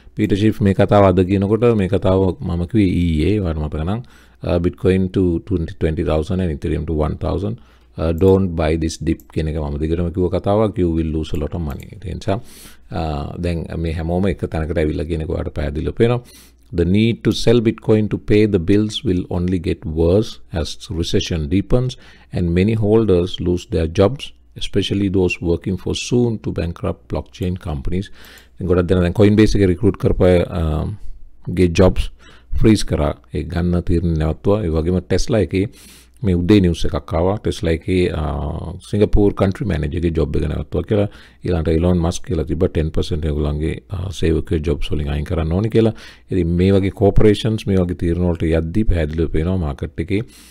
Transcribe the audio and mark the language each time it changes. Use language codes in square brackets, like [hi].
[si] Peter ෂීෆ් මේ කතාව අද කියනකොට මේ කතාව මම කිව්වේ ඊයේ වර මතක නම් [en] bitcoin to 20000 and ethereum to 1000 don't buy this dip [si] කියන එක මම දිගටම කිව්ව කතාවක්. [en] you will lose a lot of money. [si] ඒ නිසා දැන් මේ හැමෝම එක තැනකට ඇවිල්ලා කියන එක ඔයාලට පැහැදිලිව පේනවා. [en] The need to sell Bitcoin to pay the bills will only get worse as recession deepens and many holders lose their jobs, especially those working for soon to bankrupt blockchain companies. [si] Then ගොඩක් දෙනා දැන් Coinbase එකේ recruit කරපොය ගේ jobs freeze කරා. ඒ ගන්න තීරණ නැවතුවා. ඒ වගේම Tesla එකේ මේ උදේ news එකක් ආවා. Tesla එකේ Singapore country manager ගේ job එක නැවතුවා කියලා. ඊළඟට Elon Musk කියලා තිබ්බ 10% ඒගොල්ලන්ගේ සේවකයෝ jobs වලින් අයින් කරන්න ඕනේ කියලා. ඉතින් මේ වගේ corporations මේ වගේ තීරණ වලට යද්දී පැහැදිලිව පේනවා මාකට් එකේ